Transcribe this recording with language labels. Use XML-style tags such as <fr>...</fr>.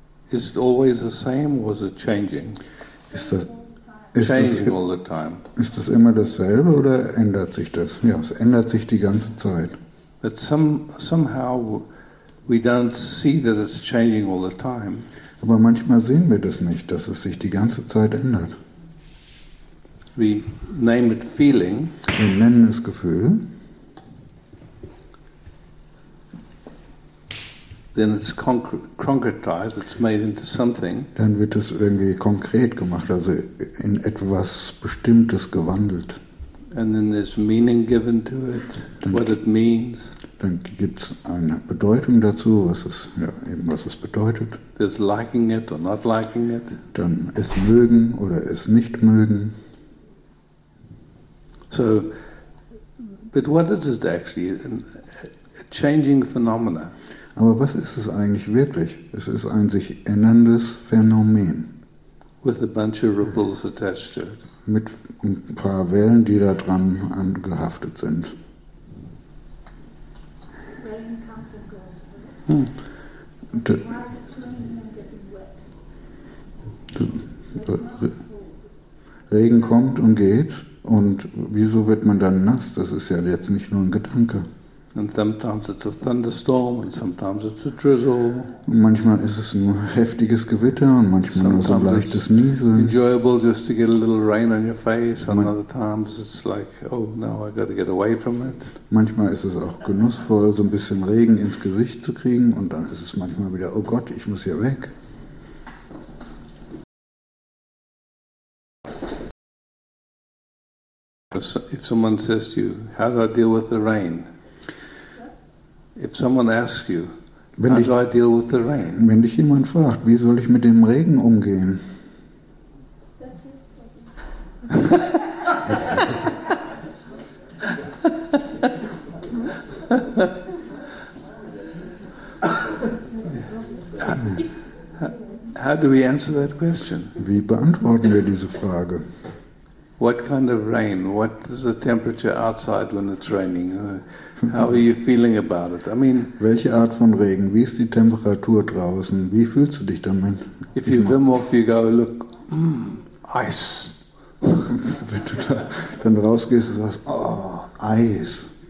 <en>Is it always the same, or is it changing?</en> <de>Ist das</de> <en>all the time.</en> <de>Ist das immer dasselbe oder ändert sich das? Ja, es ändert sich die ganze Zeit.</de> <en>But somehow we don't see that it's changing all the time.</en> <de>Aber manchmal sehen wir das nicht, dass es sich die ganze Zeit ändert.</de> <en>We name it feeling.</en> <de>Wir nennen es Gefühl.</de> <en>Then it's concretized, it's made into something.</en> <de>Dann wird es irgendwie konkret gemacht, also in etwas Bestimmtes gewandelt.</de> <en>And then there's meaning given to it, what it means.</en> <de>Dann gibt es eine Bedeutung dazu, was es bedeutet.</de> <en>There's liking it or not liking it.</en> <de>Dann es mögen oder es nicht mögen.</de> <en>So, but what is it actually? A changing phenomena.</en> <de>Aber was ist es eigentlich wirklich? Es ist ein sich änderndes Phänomen.</de> <en>With a bunch of ripples attached to it.</en> <de>Mit ein paar Wellen, die da dran angehaftet sind. Regen kommt und geht. Und wieso wird man dann nass? Das ist ja jetzt nicht nur ein Gedanke.</de> <en>And sometimes it's a thunderstorm, and sometimes it's a drizzle.</en> <de>Und manchmal ist es ein heftiges Gewitter und manchmal</de> <en>sometimes</en> <de>nur so ein leichtes Nieseln.</de> <en>Enjoyable just to get a little rain on your face. And other times it's like, oh no, I got to get away from it.</en> <de>Manchmal ist es auch genussvoll, so ein bisschen Regen ins Gesicht zu kriegen, und dann ist es manchmal wieder, oh Gott, ich muss hier weg.</de> <en>If someone says to you, how do I deal with the rain? If someone asks you, how do I deal with the rain?</en> <de>Wenn dich jemand fragt, wie soll ich mit dem Regen umgehen?</de> <en>How do we answer that question?</en> <de>Wie beantworten wir diese Frage?</de> <en>What kind of rain? What is the temperature outside when it's raining? How are you feeling about it? I mean,</en> <de>welche Art von Regen? Wie ist die Temperatur draußen? Wie fühlst du dich damit?</de> <en>If you Wim Hof, you go look, ice.</en> <de>Wenn du da dann rausgehst und sagst, oh, Eis.</de>